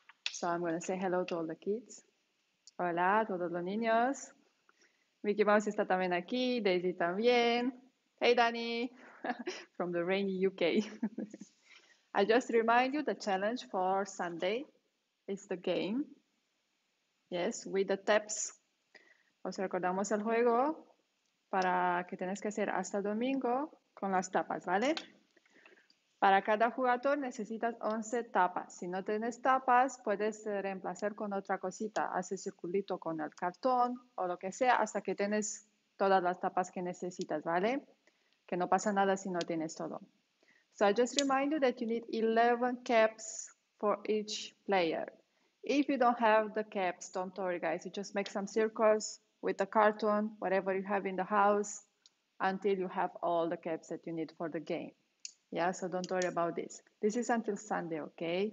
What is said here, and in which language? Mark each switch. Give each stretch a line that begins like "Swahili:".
English: So I'm gonna say hello to all the kids.
Spanish: Hola a todos los niños. Mickey Mouse está también aquí, Daisy también.
English: Hey Danny, from the rainy UK. I just remind you the challenge for Sunday is the game. Yes, with the taps.
Spanish: Os recordamos el juego para que tenés que hacer hasta domingo con las tapas, ¿vale? Para cada jugador necesitas 11 tapas. Si no tienes tapas, puedes reemplazar con otra cosita. Haces circulito con el cartón o lo que sea hasta que tienes todas las tapas que necesitas, ¿vale? Que no pasa nada si no tienes todo.
English: So I just remind you that you need 11 caps for each player. If you don't have the caps, don't worry, guys. You just make some circles with the carton, whatever you have in the house, until you have all the caps that you need for the game. Yeah, so don't worry about this. This is until Sunday, okay?